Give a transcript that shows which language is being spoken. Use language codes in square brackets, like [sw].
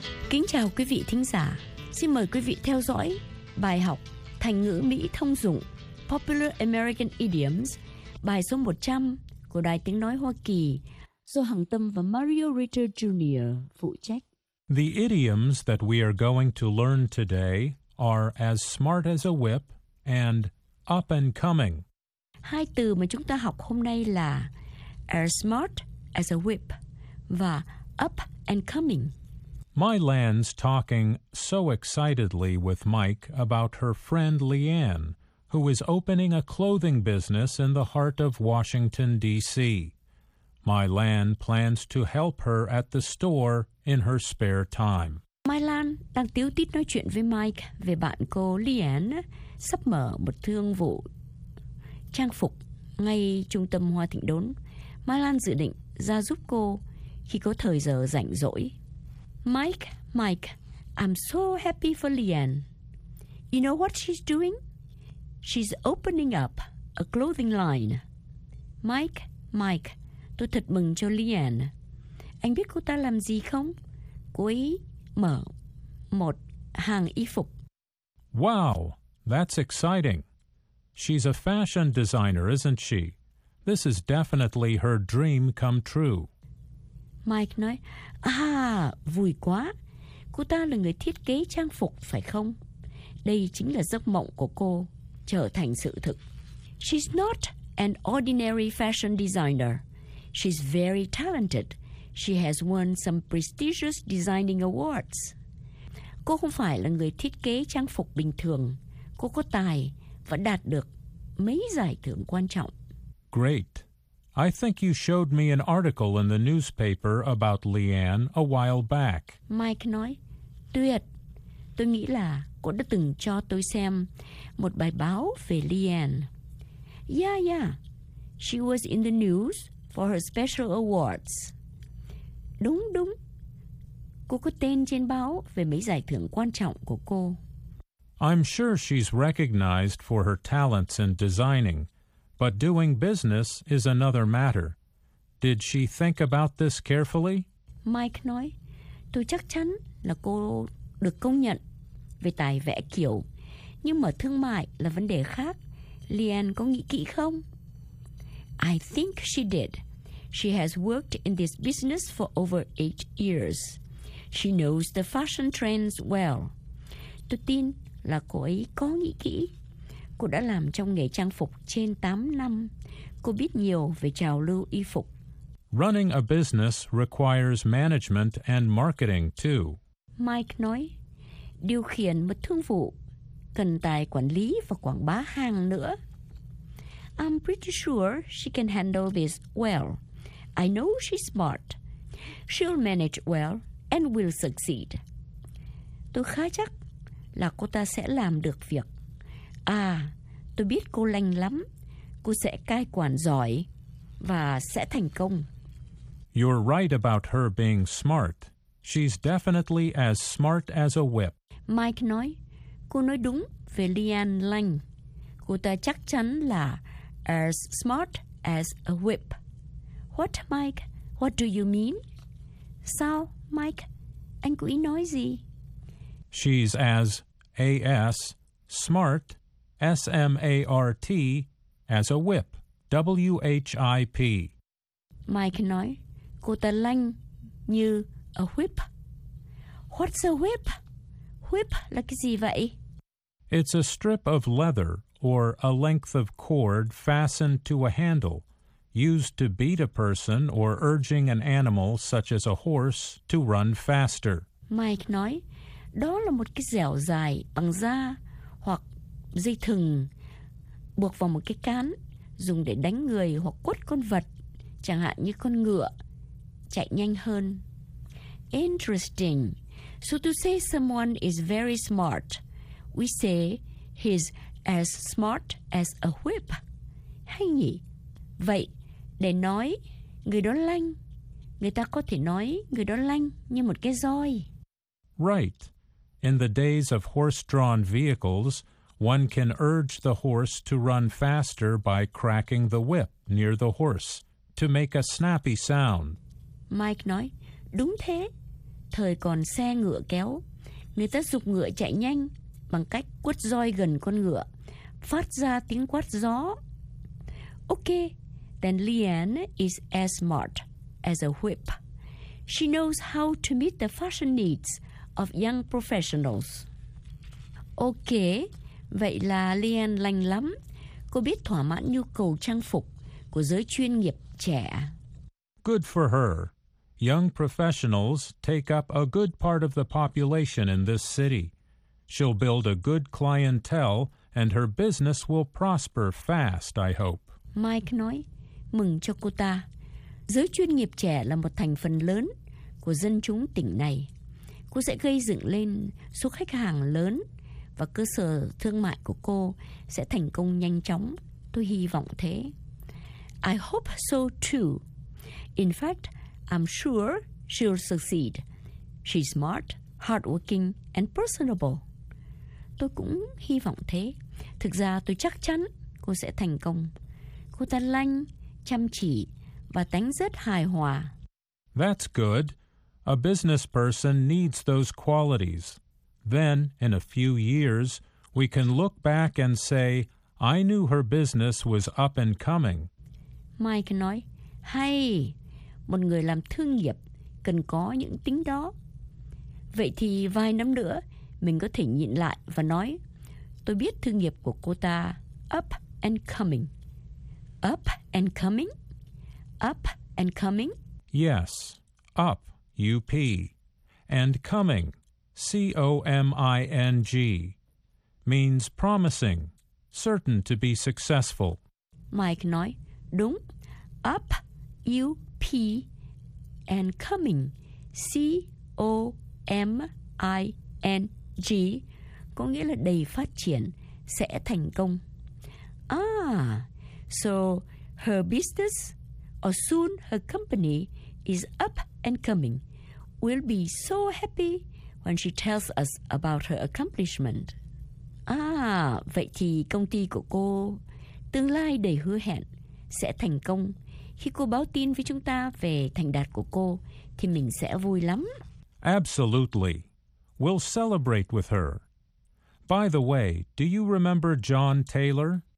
[vi] Kính chào quý vị thính giả. Xin mời quý vị theo dõi bài học Thành ngữ Mỹ thông dụng [en] Popular American Idioms, [vi] bài số 100 của Đài Tiếng Nói Hoa Kỳ, do Hằng Tâm và Mario Ritter Jr. phụ trách. [en] The idioms that we are going to learn today are as smart as a whip and up and coming. [vi] Hai từ mà chúng ta học hôm nay là [en] as smart as a whip [vi] và [en] up and coming. My Lan's talking so excitedly with Mike about her friend Leanne, who is opening a clothing business in the heart of Washington, D.C. My Lan plans to help her at the store in her spare time. [vi] My Lan đang tíu tít nói chuyện với Mike về bạn cô Leanne sắp mở một thương vụ trang phục ngay trung tâm Hoa Thịnh Đốn. My Lan dự định ra giúp cô khi có thời giờ rảnh rỗi. [en] Mike, I'm so happy for Leanne. You know what she's doing? She's opening up a clothing line. [vi] Mike, tôi thật mừng cho Leanne. Anh biết cô ta làm gì không? Cô ấy mở một hàng y phục. [en] Wow, that's exciting. She's a fashion designer, isn't she? This is definitely her dream come true. [vi] Mike nói, vui quá. Cô ta là người thiết kế trang phục, phải không? Đây chính là giấc mộng của cô, trở thành sự thực. [en] She's not an ordinary fashion designer. She's very talented. She has won some prestigious designing awards. [vi] Cô không phải là người thiết kế trang phục bình thường. Cô có tài và đạt được mấy giải thưởng quan trọng. [en] Great. I think you showed me an article in the newspaper about Leanne a while back. [vi] Mike nói, tuyệt. Tôi nghĩ là cô đã từng cho tôi xem một bài báo về Leanne. [en] Yeah. She was in the news for her special awards. [vi] Đúng. Cô có tên trên báo về mấy giải thưởng quan trọng của cô. [en] I'm sure she's recognized for her talents in designing. But doing business is another matter. Did she think about this carefully? [vi] Mike nói, tôi chắc chắn là cô được công nhận về tài vẽ kiểu. Nhưng mà thương mại là vấn đề khác. Leanne có nghĩ kỹ không? [en] I think she did. She has worked in this business for over 8 years. She knows the fashion trends well. [vi] Tôi tin là cô ấy có nghĩ kỹ. Cô đã làm trong nghề trang phục trên 8 năm. Cô biết nhiều về trào lưu y phục. [en] Running a business requires management and marketing too. [vi] Mike nói, điều khiển một thương vụ cần tài quản lý và quảng bá hàng nữa. [en] I'm pretty sure she can handle this well. I know she's smart. She'll manage well and will succeed. [vi] Tôi khá chắc là cô ta sẽ làm được việc. À, tôi biết cô lành lắm. Cô sẽ cai quản giỏi và sẽ thành công. [en] You're right about her being smart. She's definitely as smart as a whip. [vi] Mike nói, cô nói đúng về Leanne Lang. Cô ta chắc chắn là [en] as smart as a whip. What, Mike? What do you mean? [vi] Sao, Mike? Anh có ý nói gì? [en] She's as A-S, smart, S-M-A-R-T, as a whip, W-H-I-P. [vi] Mike nói, cô ta lanh như [en] a whip. What's a whip? [vi] Whip là cái gì vậy? [en] It's a strip of leather or a length of cord fastened to a handle, used to beat a person or urging an animal such as a horse to run faster. [vi] Mike nói, đó là một cái dẻo dài bằng da hoặc dây thừng buộc vào một cái cán dùng để đánh người hoặc quất con vật, chẳng hạn như con ngựa, chạy nhanh hơn. [en] Interesting. So to say someone is very smart, we say he's as smart as a whip. [vi] Hay nhỉ? Vậy, để nói người đó lanh, người ta có thể nói người đó lanh như một cái roi. [en] Right. In the days of horse-drawn vehicles, one can urge the horse to run faster by cracking the whip near the horse to make a snappy sound. [vi] Mike nói, đúng thế. Thời còn xe ngựa kéo, người ta giục ngựa chạy nhanh bằng cách quất roi gần con ngựa, phát ra tiếng quát gió. [en] Okay, then Leanne is as smart as a whip. She knows how to meet the fashion needs of young professionals. [vi] Okay, vậy là Leanne lành lắm. Cô biết thỏa mãn nhu cầu trang phục của giới chuyên nghiệp trẻ. [en] Good for her. Young professionals take up a good part of the population in this city. She'll build a good clientele and her business will prosper fast, I hope. [vi] Mike nói, mừng cho cô ta. Giới chuyên nghiệp trẻ là một thành phần lớn của dân chúng tỉnh này. Cô sẽ gây dựng lên số khách hàng lớn và cơ sở thương mại của cô sẽ thành công nhanh chóng. Tôi hy vọng thế. [en] I hope so too. In fact, I'm sure she'll succeed. She's smart, hardworking, and personable. [vi] Tôi cũng hy vọng thế. Thực ra tôi chắc chắn cô sẽ thành công. Cô ta lanh, chăm chỉ và tánh rất hài hòa. [en] That's good. A business person needs those qualities. Then, in a few years, we can look back and say, I knew her business was up and coming. [vi] Mike nói, hay. Một người làm thương nghiệp cần có những tính đó. Vậy thì vài năm nữa, mình có thể nhìn lại và nói, tôi biết thương nghiệp của cô ta [en] up and coming. Up and coming? Up and coming? Yes. Up, U-P. And coming, C-O-M-I-N-G. Means promising, certain to be successful. [vi] Mike nói, đúng. [en] Up, U-P. P and coming, C O M I N G, [vi] có nghĩa là đầy phát triển, sẽ thành công. [en] Ah, so her business, or soon her company, is up and coming. We'll be so happy when she tells us about her accomplishment. [vi] Ah, vậy thì công ty của cô, tương lai đầy hứa hẹn, sẽ thành công. Khi cô báo tin với chúng ta về thành đạt của cô, thì mình sẽ vui lắm. [en] Absolutely. We'll celebrate with her. By the way, do you remember John Taylor?